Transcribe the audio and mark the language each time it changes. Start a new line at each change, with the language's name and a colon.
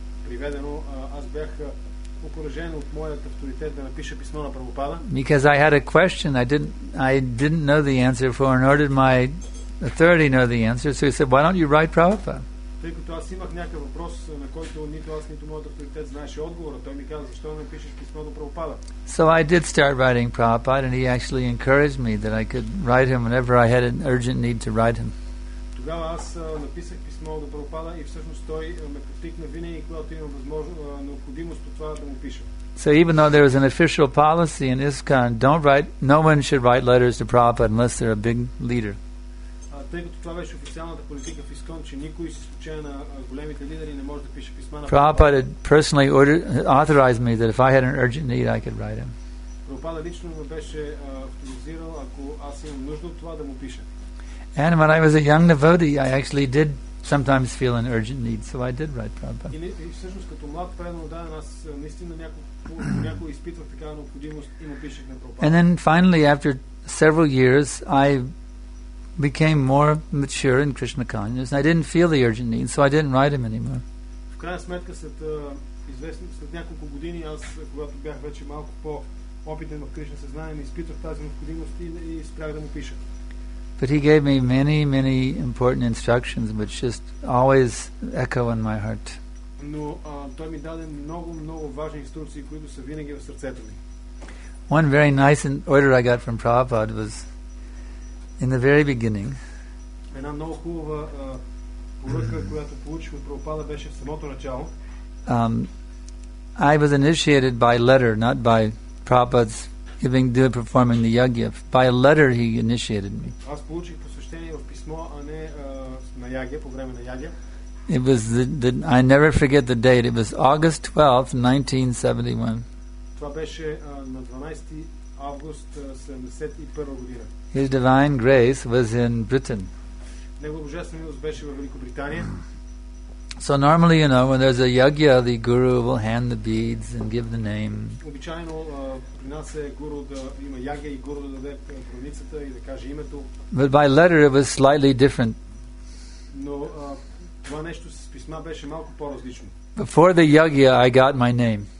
Bulgarian: приведено, аз бях окуражен от моят авторитет да напиша писмо на Прабхупада.
English: Because I had a question, I didn't know the answer for, nor did my authority know the answer. So he said, why don't you write Prabhupada?
Bulgarian: Тъй като аз имах някакъв въпрос, на който нито аз, нито моят авторитет знаеше отговора, той ми каза, защо не пишеш писмо до Прабхупада?
English: So I did start writing Prabhupada, and he actually encouraged me that I could write him whenever I had an urgent need to write him.
Bulgarian: Тогава аз написах писмо до Прабхупада и всъщност той ме подтикна винаги, когато имам необходимост от това да му пиша.
English: So even though there was an official policy in ISKCON, no one should write letters to Prabhupada unless they're a big leader.
Bulgarian: Тъй като това беше официалната политика в ИСКОН, че никой с изключение на големите лидери не може да пише писма на Прабхупада.
English: Prabhupada had personally authorized me that if I had an urgent need, I could write him.
Bulgarian: Прабхупада лично ме беше авторизирал, ако аз имам нужда от това, да му пиша.
English: And when I was a young devotee, I actually did sometimes feel an urgent need, so I did write Prabhupada.
Bulgarian: И всъщност като млад преданодаен, аз наистина някой изпитвах такава необходимост и му пишех на Прабхупада.
English: And then finally, after several years, I became more mature in Krishna consciousness, and I didn't feel the urgent need, so I didn't write him anymore.
Bulgarian: В крайна сметка, след няколко години, аз, когато бях вече малко по-опитен в Кришна съзнание, изпитвах тази необходимост и спрях да му пиша.
English: But he gave me many, many important instructions, which just always echo in my heart.
Bulgarian: Но той ми даде много, много важни инструкции, които са винаги в сърцето ми.
English: One very nice order I got from Prabhupada was in the very beginning.
Bulgarian: Една много хубава поръка, която получих от Прабхупада, беше в самото начало.
English: I was initiated by letter, not by Prabhupada's performing the yagya. By a letter he initiated me.
Bulgarian: Аз получих посвещение в писмо, а не на ягия, по време на ягия.
English: It was I never forget the date. It was August 12th, 1971.
Bulgarian: Това беше на 12 август 71 година.
English: His divine grace was in Britain.
Bulgarian: Негова божествена милост беше във Великобритания.
English: So normally, you know, when there's a yagya, the guru will hand the beads and give the name.
Bulgarian: Обичайно при нас е гуру да има ягия и гуру да даде кръвницата и да каже името.
English: But by letter it was slightly different.
Bulgarian: Но това нещо с писма беше малко по-различно.
English: Before the yagya I got my name.